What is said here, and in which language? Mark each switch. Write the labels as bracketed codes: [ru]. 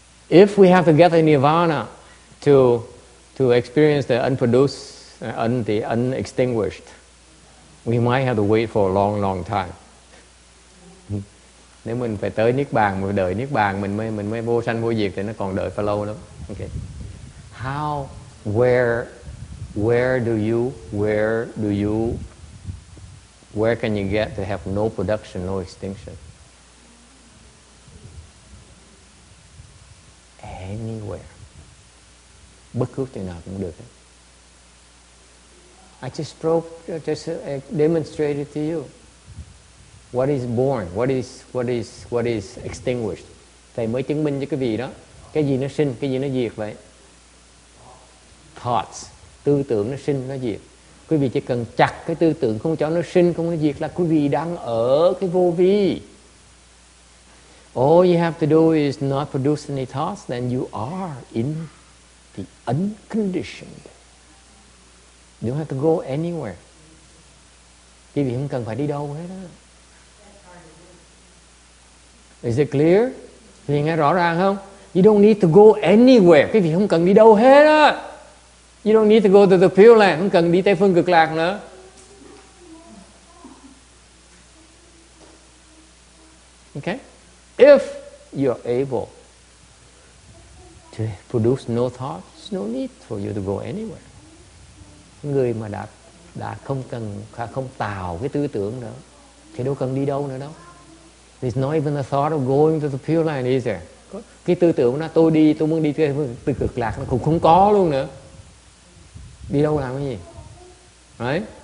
[en] If we have to get a Nirvana to experience the unproduced, the unextinguished, we might have to wait for a long, long time. [vi] Nếu mình phải tới Niết Bàn, mình đợi Niết Bàn, mình mới vô sanh vô diệt thì nó còn đợi phải lâu lắm. [en] Okay. How, where can you get to have no production, no extinction? Anywhere. [vi] Bất cứ chỗ nào cũng được. [en] I just demonstrated to you what is born, what is extinguished. [vi] Thầy mới chứng minh cho cái gì đó, cái gì nó sinh, cái gì nó diệt vậy. Thoughts, tư tưởng nó sinh, nó diệt. Quý vị chỉ cần chặt cái tư tưởng không cho nó sinh, không nó diệt là quý vị đang ở cái vô vi. [en] All you have to do is not produce any thoughts, then you are in the unconditioned. You don't have to go anywhere. [vi] Quý vị không cần phải đi đâu hết á. [en] Is it clear? [vi] Quý vị nghe rõ ràng không? [en] You don't need to go anywhere. [vi] Quý vị không cần đi đâu hết á. [en] You don't need to go to the Pure Land. [vi] Không cần đi Tây Phương Cực Lạc nữa. [en] Okay? If you're able to produce no thought, there's no need for you to go anywhere. [vi] Người mà đã không cần không tạo cái tư tưởng nữa, thì đâu cần đi đâu nữa đâu. [en] There's not even a thought of going to the pure land, is there? [vi] Cái tư tưởng là tôi đi, tôi muốn đi từ cực lạc nó cũng không có luôn nữa. Đi đâu làm cái gì? Đấy.